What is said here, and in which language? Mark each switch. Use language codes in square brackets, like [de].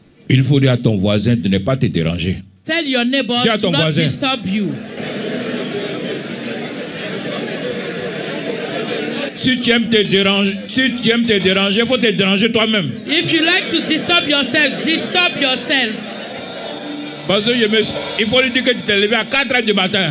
[fr] Il faut dire à ton voisin de ne pas te déranger. [en] Tell your neighbor to not disturb you. [fr] Si tu aimes te déranger, faut te déranger toi-même. [en] If you like to disturb yourself, disturb yourself. [fr] Parce que il faut lui dire que tu t'es levé à 4h du matin.